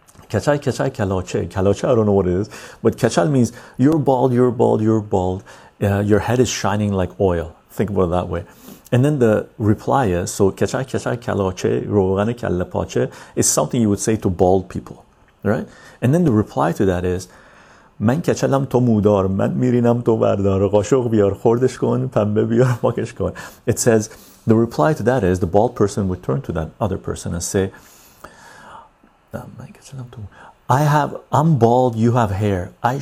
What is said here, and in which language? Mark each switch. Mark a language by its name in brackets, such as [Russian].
[Persian] Kachal, kachal, kaloche. Kaloche, [English] I don't know what it is. But kachal means you're bald, you're bald, you're bald. Your head is shining like oil. Think about it that way. And then the reply is, so [Persian] kachal, kachal, kaloche, rogane kalle pache [English] is something you would say to bald people, right? And then the reply to that is, [Persian] من کچلم تو مودار من میرینم تو بردار قاشق بیار خوردش کن پنبه بیار پاکش کن. [English] It says the reply to that is the bald person would turn to that other person and say, [Persian] من کچلم تو [English] I'm bald, you have hair.